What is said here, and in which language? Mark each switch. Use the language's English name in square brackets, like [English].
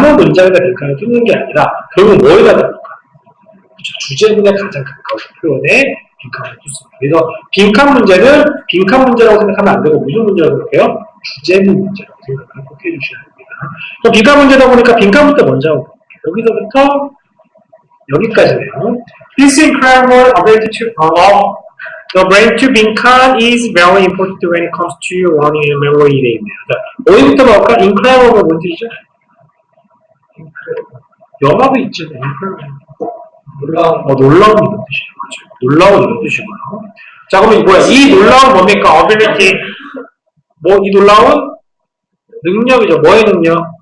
[Korean] 그러니까 아무 문장에다 빈칸을 뚫는 게 아니라, 결국 뭐에다 뚫을까? 주제문에 가장 가까운 표현에 빈칸을 뚫습니다. 그래서 빈칸 문제는 빈칸 문제라고 생각하면 안 되고, 무슨 문제라고 생각해요? 주제문 문제라고 생각을 꼭 해주셔야 됩니다. 또 빈칸 문제다 보니까 빈칸부터 먼저 하고, 여기서부터 여기까지네요. [English] This incredible ability to follow the brain to 빈칸 is very important when it comes to learning and memory. [Korean] 그러니까 어디부터 볼까? incredible가 뭔지 있죠? 영화도 있잖아요. 놀라운 이런 뜻이에요. 맞아요. 놀라운 이런 뜻이고요. 자, 그러면 뭐야? 이 놀라운 뭡니까? ability. 뭐, 이 놀라운? 능력이죠. 뭐의 능력?